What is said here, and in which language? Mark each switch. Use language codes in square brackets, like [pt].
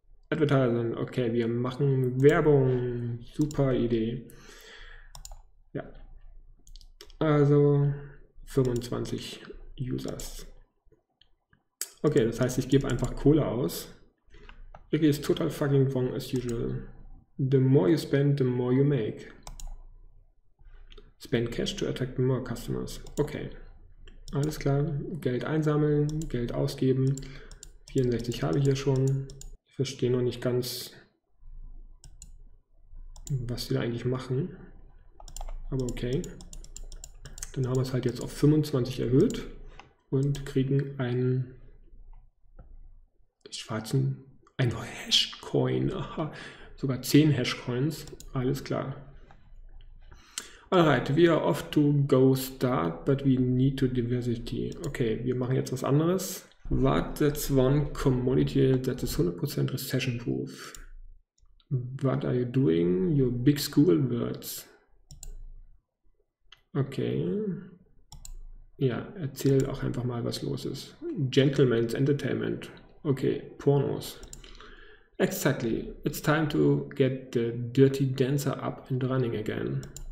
[de] Advertising, okay, wir machen Werbung. Super Idee. Ja. Also 25 Users. Okay, das heißt, ich gebe einfach Kohle aus. [en] Ricky is total fucking wrong as usual. The more you spend, the more you make. Spend cash to attract more customers. Okay. [de] Alles klar. Geld einsammeln, Geld ausgeben. 64 habe ich hier schon. Verstehe noch nicht ganz, was sie da eigentlich machen. Aber okay. Dann haben wir es halt jetzt auf 25 erhöht und kriegen einen schwarzen, ein Hashcoin. Aha, sogar 10 Hashcoins. Alles klar. [en] Alright, we are off to go start, but we need to diversity. [de] Okay, wir machen jetzt was anderes. [en] What that's one commodity that is 100% recession proof? What are you doing? Your big school words. Okay. [de] Ja, erzähl auch einfach mal, was los ist. [en] Gentleman's Entertainment. Okay, Pornos. Exactly. It's time to get the dirty dancer up and running again.